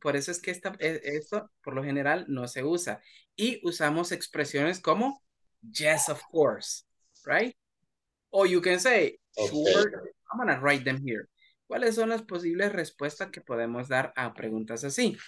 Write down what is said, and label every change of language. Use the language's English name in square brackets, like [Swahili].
[Spanish] Por eso es que esto, por lo general, no se usa. Y usamos expresiones como, [English] yes, of course, [Spanish] right? [English] Or you can say, sure, okay. I'm gonna write them here. [Spanish] ¿Cuáles son las posibles respuestas que podemos dar a preguntas así?